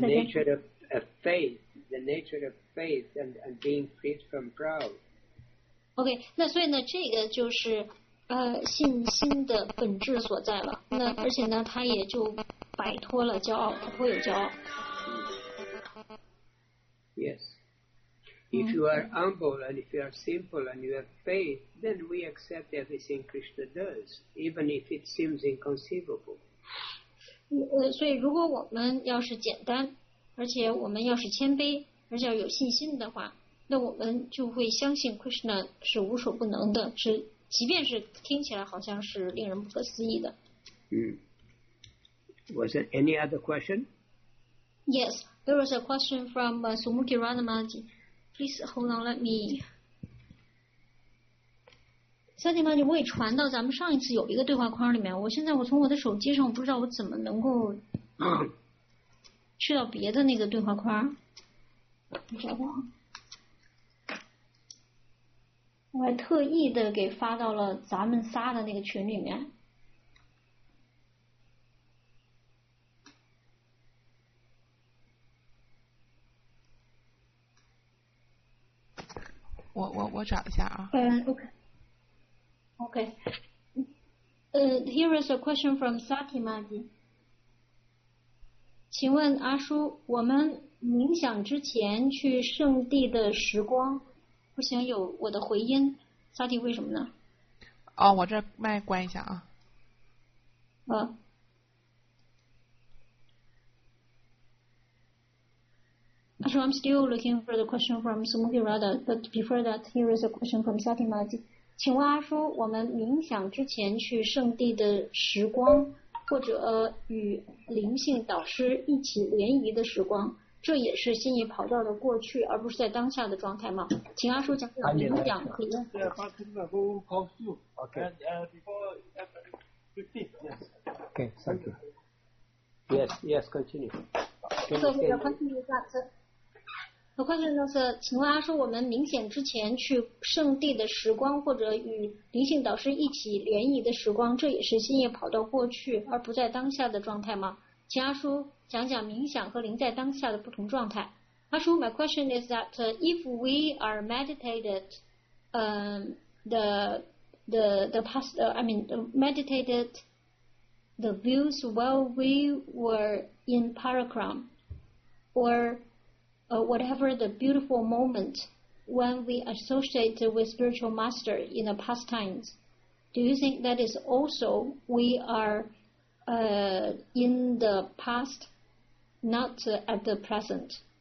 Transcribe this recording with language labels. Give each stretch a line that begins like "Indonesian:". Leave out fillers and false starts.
English: the nature of faith, the nature of faith and being freed from pride.
Chinese: Okay, 那所以呢，这个就是信心的本质所在了。那而且呢，他也就摆脱了骄傲，他不会有骄傲。
English: Yes, if you are humble and if you are simple and you have faith. Then we accept everything Krishna does, even if it seems inconceivable.
Chinese: 所以如果我们要是简单，而且我们要是谦卑，而且要有信心的话，那我们就会相信 Krishna 是无所不能的，是即便是听起来好像是令人不可思议的。
English: Was there any other question? Yes, there was a question from Sumuki Ranamaji. Please hold on, let me.
Chinese: 三弟妈，我也传到咱们上一次有一个对话框里面。我现在我从我的手机上，我不知道我怎么能够去到别的那个对话框。我还特意的给发到了咱们仨的那个群里面。我找一下啊。 OK. Okay, here is a question from Sati Maji. 请问阿叔，我们冥想之前去圣地的时光，不行，有我的回音。 Sati, 为什么呢？哦，我这麦关一下啊。
English: 阿叔, I'm still looking for the question from Sumuki Rada, but before that, here is a question from Sati Maji.
Chinese: 请问阿叔，我们冥想之前去圣地的时光，或者与灵性导师一起联谊的时光，这也是心意跑道的过去，而不是在当下的状态吗？请阿叔讲，你不讲可以。
English: Okay. Okay. Thank you. Yes. Yes. Continue. So, the question is that,
Chinese: 请问阿叔，我们冥想之前去圣地的时光，或者与灵性导师一起联谊的时光，这也是心意跑到过去，而不在当下的状态吗？请阿叔讲讲冥想和灵在当下的不同状态。
English: 阿叔， my question is that, if we are meditated, meditated the views while we were in Parakram, or whatever the beautiful moment when we associate with spiritual master in the past times, do you think that is also we are in the past, not at the present?